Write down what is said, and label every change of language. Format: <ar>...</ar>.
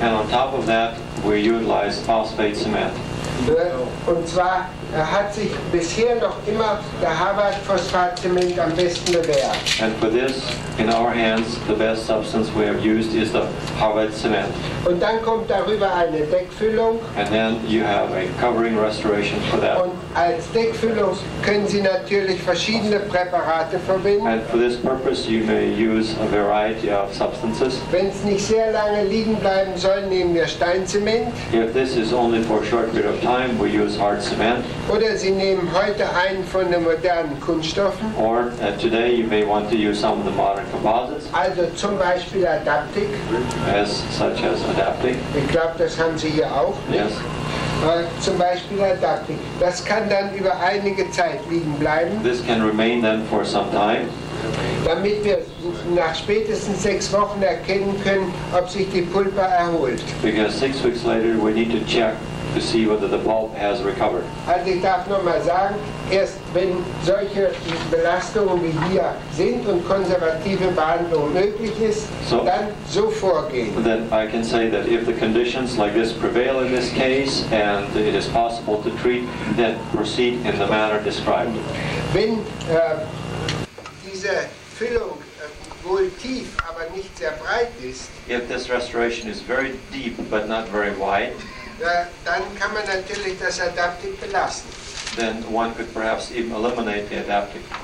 <en>And on top of that, we utilize phosphate cement.</en> <de>Und zwar hat sich bisher noch immer der Harvard-Phosphat-Zement am besten bewährt.</de> <en>And for this, in our hands, the best substance we have used is the Harvard-Zement.</en> <de>Und dann kommt darüber eine Deckfüllung.</de> <en>And then you have a covering restoration for that.</en> <de>Und als Deckfüllung können Sie natürlich verschiedene Präparate verwenden.</de> <en>And for this purpose, you may use a variety of substances.</en> <de>Wenn es nicht sehr lange liegen bleiben soll, nehmen wir Steinzement.</de> <en>If this is only for a short period of time, we use hard cement.</en> <de>Oder Sie nehmen heute einen von den modernen Kunststoffen.</de> <en>Or today you may want to use some of the modern composites.</en> <de>Also zum Beispiel Adaptic.</de> <en>As such as Adaptic.</en> <de>Ich glaube, das haben Sie hier auch.</de> <en>Yes.</en> <de>Zum Beispiel Adaptic. Das kann dann über einige Zeit liegen bleiben.</de> <en>This can remain then for some time.</en> <de>Damit wir nach spätestens 6 Wochen erkennen können, ob sich die Pulpa erholt.</de> <en>Because 6 weeks later we need to check to see whether the pulp has recovered.</en> <de>Also ich darf nur mal sagen, erst wenn solche Belastungen wie hier sind und konservative Behandlung möglich ist, so, dann so vorgehen.</de> <en>Then I can say that if the conditions like this prevail in this case and it is possible to treat, then proceed in the manner described.</en> <de>Wenn diese Füllung wohl tief, aber nicht sehr breit ist,</de> <en>if this restoration is very deep but not very wide,</en> <de>dann kann man natürlich das Adaptik belassen.</de> <en>Then one could perhaps even eliminate the Adaptik.</en>